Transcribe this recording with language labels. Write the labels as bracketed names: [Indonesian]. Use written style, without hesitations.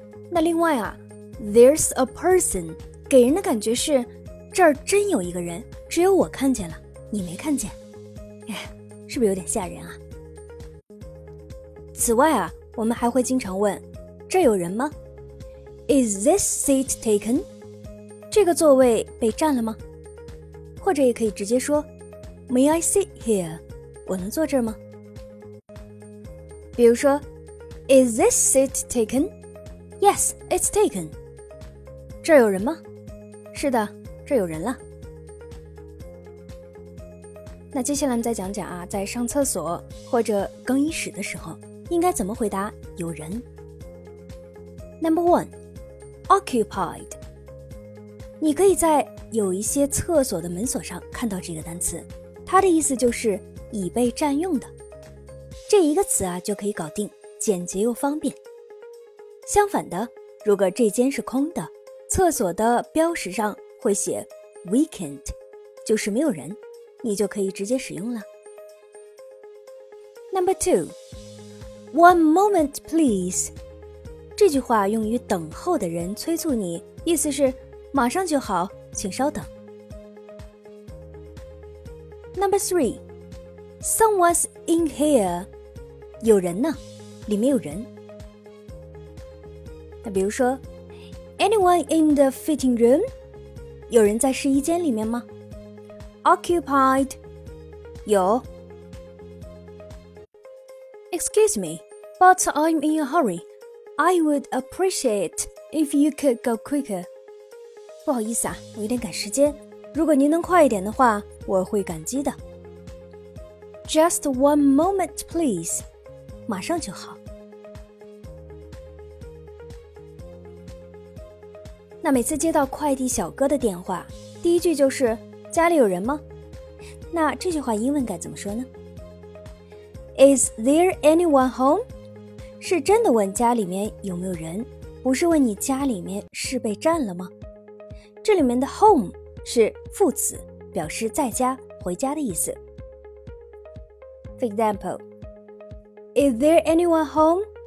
[Chinese] 那另外啊， [English] There's a person [Chinese] 给人的感觉是这儿真有一个人，只有我看见了，你没看见，哎，是不是有点吓人啊？此外啊，我们还会经常问这有人吗？ [English] Is this seat taken？ [Chinese] 这个座位被占了吗？或者也可以直接说 [English] May I sit here？ [Chinese] 我能坐这儿吗？比如说 [English] Is this seat taken? Yes, it's taken. [Chinese] 这儿有人吗？是的，这儿有人了。那接下来再讲讲啊，在上厕所或者更衣室的时候应该怎么回答有人。 [English] Number one, occupied. [Chinese] 你可以在有一些厕所的门锁上看到这个单词，它的意思就是已被占用的，这一个词啊就可以搞定，简洁又方便。相反的，如果这间是空的，厕所的标识上会写 vacant， 就是没有人，你就可以直接使用了。 [English] Number two， One moment please， [Chinese] 这句话用于等候的人催促你，意思是马上就好，请稍等。 [English] Number threeSomeone's in here， [Chinese] 有人呢，里面有人。那比如说 [English] Anyone in the fitting room？ [Chinese] 有人在试衣间里面吗？Occupied， 有。 [English] Excuse me， but I'm in a hurry， I would appreciate if you could go quicker。 [Chinese] 不好意思啊，我有点赶时间，如果您能快一点的话，我会感激的。 [English] Just one moment, please. [Chinese] 马上就好。那每次接到快递小哥的电话，第一句就是家里有人吗？那这句话英文该怎么说呢？ [English] Is there anyone home? [Chinese] 是真的问家里面有没有人，不是问你家里面是被占了吗？这里面的 home 是副词，表示在家、回家的意思。 [English] For example, Is there anyone home?